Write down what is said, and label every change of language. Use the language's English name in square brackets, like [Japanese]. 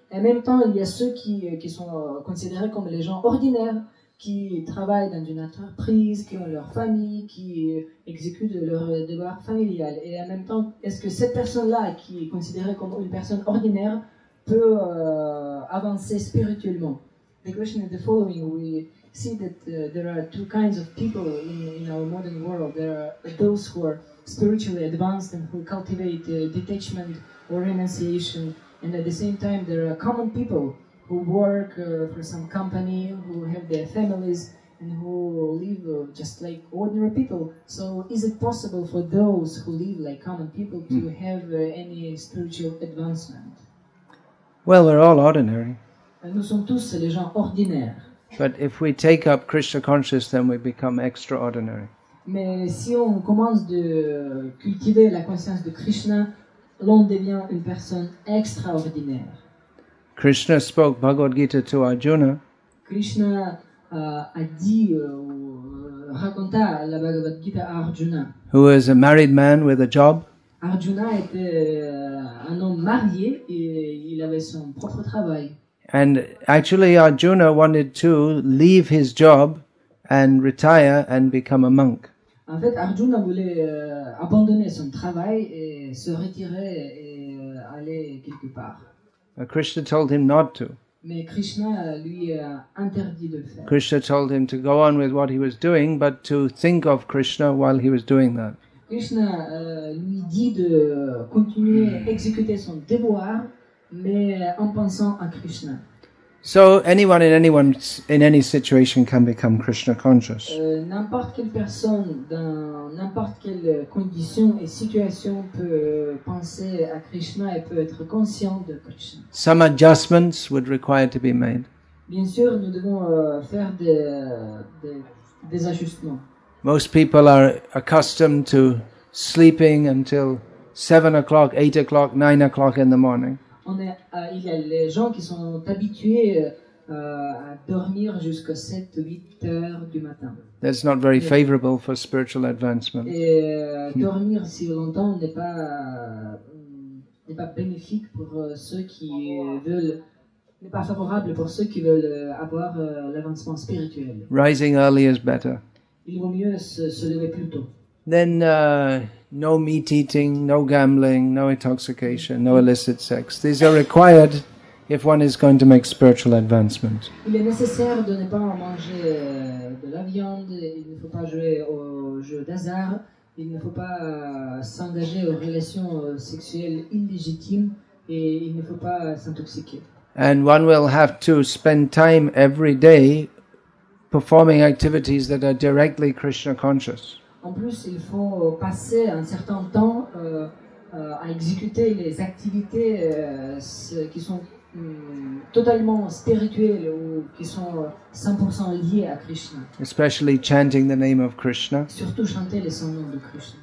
[French] Et en même temps, il y a ceux qui sont considérés comme les gens ordinaires, qui travaillent dans une entreprise, qui ont leur famille, qui exécutent leur devoir familial. Et en même temps, est-ce que cette personne-là, qui est considérée comme une personne ordinaire, peut avancer spirituellement? [English] The question is the following. We see that there are two kinds of people in our modern world. There are those who are spiritually advanced and who cultivate detachment or renunciation. And at the same time, there are common people who work for some company, who have their families, and who live just like ordinary people. So is it possible for those who live like common people to have any spiritual advancement? Well, we're all ordinary. [French] Nous sommes tous les gens ordinaires. [English] But if we take up Krishna consciousness, then we become extraordinary. [French] Mais si on commence de cultiver la conscience de Krishna, l'on devient une personne extraordinaire. [English] Krishna spoke Bhagavad Gita to Arjuna. [French] Krishna raconta la Bhagavad Gita à Arjuna. [English] Who is a married man with a job? [French] Arjuna était un homme marié et il avait son propre travail. [English] And actually Arjuna wanted to leave his job and retire and become a monk. [French] En fait, Arjuna voulait abandonner son travail et se retirer et aller quelque part. [English] But Krishna told him not to. [French] Mais Krishna lui a interdit de le faire. [English] Krishna told him to go on with what he was doing, but to think of Krishna while he was doing that. [French] Krishna lui dit de continuer à exécuter son devoir, mais en pensant à Krishna. [English] So anyone in any situation can become Krishna conscious. [French] N'importe quelle personne dans n'importe quelle condition et situation peut penser à Krishna et peut être conscient de Krishna. [English] Some adjustments would require to be made. [French] Bien sûr, nous devons faire des ajustements. [English] Most people are accustomed to sleeping until 7 o'clock, 8 o'clock, 9 o'clock in the morning. [French] Il y a les gens qui sont habitués à dormir jusqu'à 7 ou 8 heures du matin. [English] That's not very favorable for spiritual advancement. [French] Et dormir si longtemps n'est pas bénéfique pour ceux qui veulent, n'est pas favorable pour ceux qui veulent avoir l'avancement spirituel. [English] Rising early is better. [French] Il vaut mieux se lever plus tôt. [English] Then no meat eating, no gambling, no intoxication, no illicit sex. These are required if one is going to make spiritual advancement. [French] Il est nécessaire de ne pas manger de la viande, il ne faut pas jouer aux jeux d'hasard, il ne faut pas s'engager aux relations sexuelles illégitimes et il ne faut pas s'intoxiquer. [English] And one will have to spend time every day performing activities that are directly Krishna conscious. [French] En plus, il faut passer un certain temps à exécuter les activités qui sont totalement spirituelles ou qui sont 100% liées à Krishna. [English] Especially chanting the name of Krishna. [French] Surtout chanter le nom de Krishna.